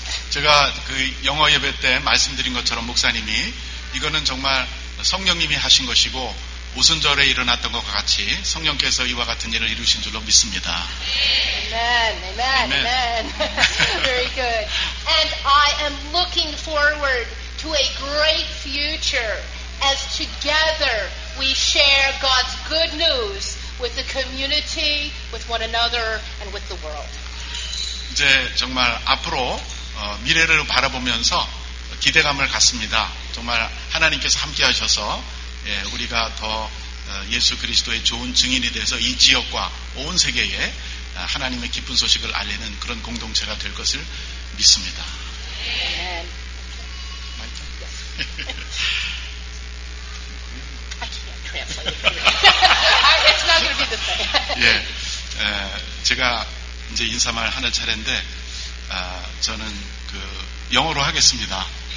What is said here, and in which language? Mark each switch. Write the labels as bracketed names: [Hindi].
[Korean] 제가 그 영어 예배 때 말씀드린 것처럼 목사님이 이거는 정말 성령님이 하신 것이고 오순절에 일어났던 것과 같이 성령께서 이와 같은 일을 이루신 줄로 믿습니다. [English] Amen. Amen. Amen. Amen. Very good. And I am looking forward to a great future as together we share God's good news with the community, with one another and with the world. [Korean] 이제 정말 앞으로 미래를 바라보면서 기대감을 갖습니다. 정말 하나님께서 함께 하셔서 우리가 더 예수 그리스도의 좋은 증인이 돼서 이 지역과 온 세계에 하나님의 기쁜 소식을 알리는 그런 공동체가 될 것을 믿습니다. 아멘. 맞죠? [English] I can't translate it. It's not going to be the same. [Korean] 예. 제가 이제 인사말 하는 차례인데 저는 그 영어로 하겠습니다.